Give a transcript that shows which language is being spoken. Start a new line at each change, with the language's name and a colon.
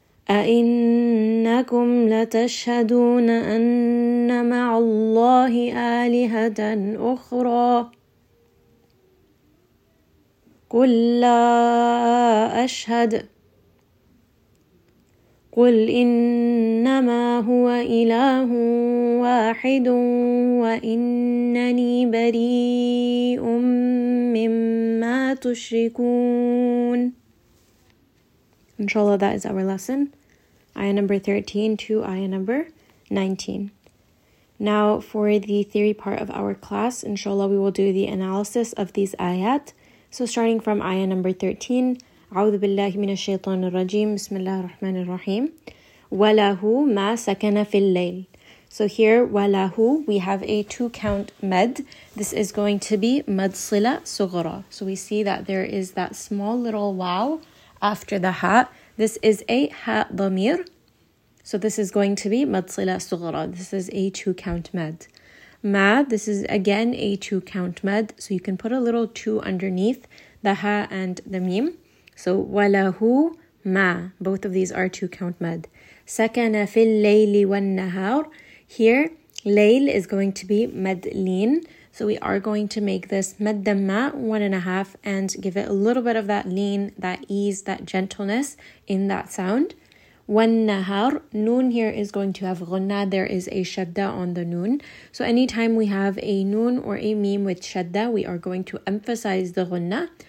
Arabic: أئنكم لتشهدون أن مع الله آلهة أخرى قل لا أشهد قل إنما هو إله واحد وإنني بريء مما تشركون.
English: Inshallah, that is our lesson. Ayah number 13 to ayah number 19. Now for the theory part of our class, inshallah, we will do the analysis of these ayat. So starting from ayah number 13,
Arabic: أعوذ بالله من الشيطان الرجيم بسم الله الرحمن الرحيم وله ما سكن في الليل.
English: So here وله, we have a two count مد. This is going to be مد صلة صغرى. So we see that there is that small little واو after the ha. This is a ha ضمير. So this is going to be مد صلة صغرى. This is a two count مد. ما, this is again a two count مد. So you can put a little two underneath the ha and the ميم. So, وَلَهُ مَا, both of these are two count mad.
Arabic: سَكَنَ فِي اللَّيْلِ وَالنَّهَارِ, here, لَيْل
English: is going to be
Arabic: مَدْلِين.
English: So, we are going to make this مَدَّمَا, 1.5, and give it a little bit of that lean, that ease, that gentleness in that sound. وَالنَّهَارِ, نُون here is going to have غُنَّة, there is a شَدَّة on the نُون. So, anytime we have a نُون or a ميم with شَدَّة, we are going to emphasize the غُنَّة.